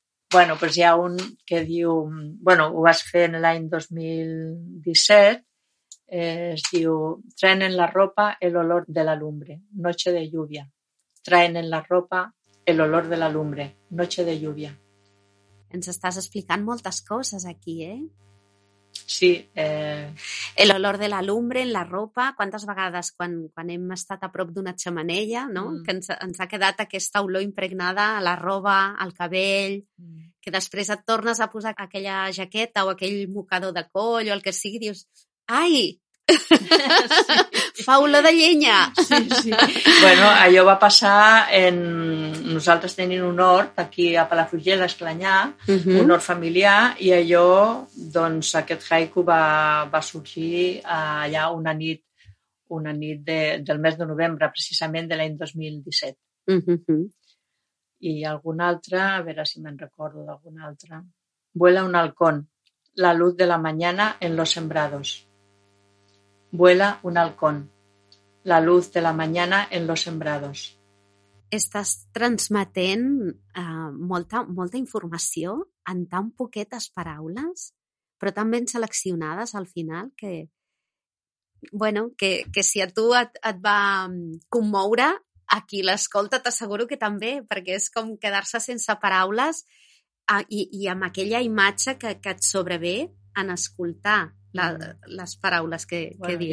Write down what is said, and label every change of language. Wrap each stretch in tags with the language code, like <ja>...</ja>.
<ca>Bueno, pues hi ha un que diu... Bueno, ho vas fer en l'any 2017. Es diu...</ca> <es>Traen en la ropa el olor de la lumbre. Noche de lluvia. Traen en la ropa el olor de la lumbre. Noche de lluvia.</es> <ca>Ens estàs explicant moltes coses aquí, eh? Sí.</ca> <es>El olor de la lumbre en la ropa.</es> <ca>Quantes vegades quan hem estat a prop d'una xemeneia, no? Que ens ha quedat aquesta olor impregnada a la roba, al cabell, que després et tornes a posar aquella jaqueta o aquell mocador de coll o el que sigui, dius, ai, sí. Fa olor de llenya. Sí. Bueno, allò va passar en... Nosaltres tenim un hort aquí a Palafrugell, a Esclanyà, un hort familiar, i allò, doncs, aquest haiku va sorgir allà una nit del mes de novembre, precisament de l'any 2017. I algun altre, a veure si me'n recordo d'algun altre.</ca> <es>Vuela un halcón, la luz de la mañana en los sembrados. Vuela un halcón, la luz de la mañana en los sembrados.</es> <ca>Estàs transmetent molta informació en tan poquetes paraules, però tan ben seleccionades al final que, bueno, que si a tu et va commoure, a qui l'escolta t'asseguro que també, perquè és com quedar-se sense paraules i amb aquella imatge que et sobrevé en escoltar les paraules que dius.</ca>